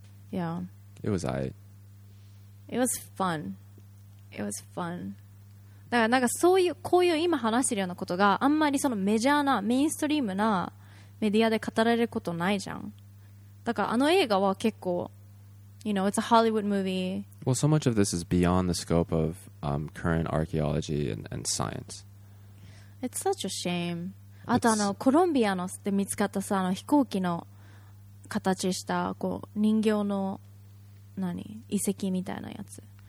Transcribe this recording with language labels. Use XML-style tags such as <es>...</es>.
<en>Yeah. It was I. It was fun. It was fun.</en> <ja>だからなんかそういうこういう今話してるようなことがあんまりそのメジャーなメインストリームなメディアで語られることないじゃん。だからあの映画は結構</ja> <en>You know, it's a Hollywood movie. Well, so much of this is beyond the scope of current archaeology and science. It's such a shame.</en> <ja>あとあのコロンビアので見つかったさあの飛行機の形したこう人形の何遺跡みたいなやつ。</ja>